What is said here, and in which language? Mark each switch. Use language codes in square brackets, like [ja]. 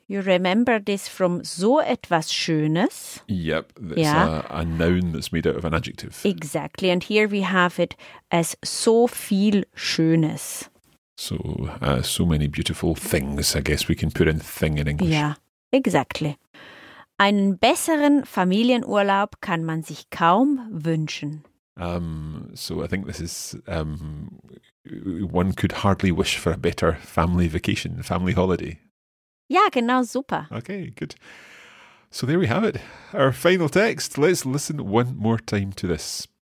[en] You remember this from [de] so etwas Schönes. [en] Yep, that's a noun that's made out of an adjective. Exactly, and here we have it as [de] so viel Schönes. [en] So, so many beautiful things, I guess we can put in thing in English. Yeah, exactly. [de] Einen besseren Familienurlaub kann man sich kaum wünschen. [en] So I think this is, one could hardly wish for a better family vacation, family holiday. [de] Ja, genau, super. [en] Okay, good. So there we have it, our final text. Let's listen one more time to this.